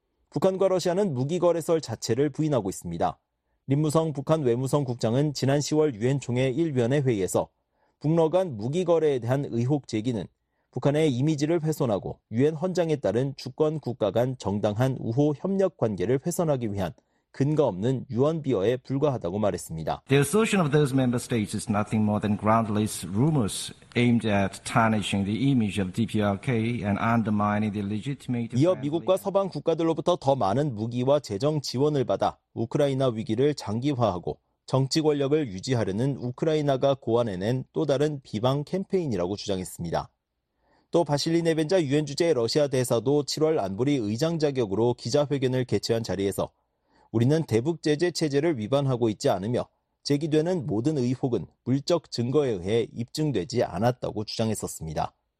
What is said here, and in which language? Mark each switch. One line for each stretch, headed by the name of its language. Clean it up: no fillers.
Korean: 북한과 러시아는 무기 거래설 자체를 부인하고 있습니다. 림무성 북한 외무성 국장은 지난 10월 유엔총회 1위원회 회의에서 북러 간 무기 거래에 대한 의혹 제기는 북한의 이미지를 훼손하고 유엔 헌장에 따른 주권 국가 간 정당한 우호 협력 관계를 훼손하기 위한 근거 없는 유언 비어에 불과하다고 말했습니다.
English: The assertion of those member states is nothing more than groundless rumors aimed at tarnishing the image of DPRK and undermining the legitimate.
Korean: 이어 미국과 서방 국가들로부터 더 많은 무기와 재정 지원을 받아 우크라이나 위기를 장기화하고 정치 권력을 유지하려는 우크라이나가 고안해낸 또 다른 비방 캠페인이라고 주장했습니다. 또 바실리 네벤자 유엔 주재 러시아 대사도 7월 안보리 의장 자격으로 기자회견을 개최한 자리에서 우리는 대북 제재 체제를 위반하고 있지 않으며 제기되는 모든 의혹은 물적 증거에 의해 입증되지 않았다고 주장했었습니다.